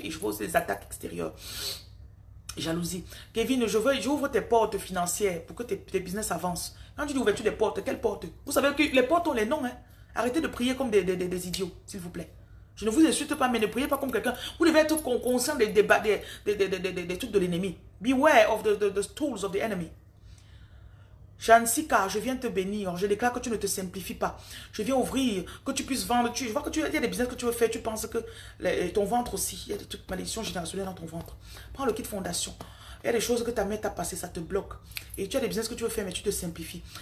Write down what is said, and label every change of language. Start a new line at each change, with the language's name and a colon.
French: Et je vois aussi les attaques extérieures. Jalousie. Kevin, j'ouvre tes portes financières pour que tes business avancent. Quand tu dis ouverture des portes, quelles portes? Vous savez que les portes ont les noms, hein? Arrêtez de prier comme des idiots, s'il vous plaît. Je ne vous insulte pas, mais ne priez pas comme quelqu'un. Vous devez être conscient des trucs de l'ennemi.
English: Beware of the tools of the enemy.
French: Jansika, je viens te bénir. Je déclare que tu ne te simplifies pas. Je viens ouvrir, que tu puisses vendre. Je vois que il y a des business que tu veux faire. Tu penses que ton ventre aussi, il y a des trucs malédictions générationnelles dans ton ventre. Prends le kit fondation. Il y a des choses que ta mère t'a passé, ça te bloque. Et tu as des business que tu veux faire, mais tu te simplifies.